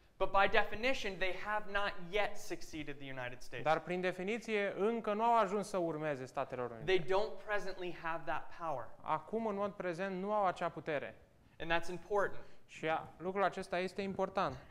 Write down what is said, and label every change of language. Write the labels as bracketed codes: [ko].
[en] But by definition, they have not yet succeeded the United States. [ro] Dar prin definiție încă nu au ajuns să urmeze Statelor Unite. [en] They don't presently have that power. [ro] Acum în mod prezent nu au acea putere. [en] And that's important. [ro] Și lucrul acesta este important.